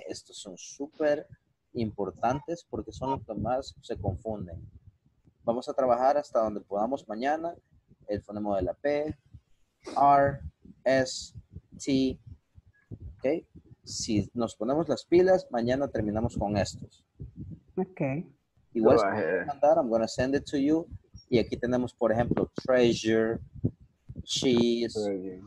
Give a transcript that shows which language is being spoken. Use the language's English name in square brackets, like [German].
[Spanish] Estos son súper importantes porque son los que más se confunden. Vamos a trabajar hasta donde podamos mañana el fonema de la P, R, S, T, ¿ok? Si nos ponemos las pilas, mañana terminamos con estos. Ok. Igual, si me mandar, [English] I'm gonna send it to you. [Spanish] Y aquí tenemos, por ejemplo, treasure, cheese, treasure.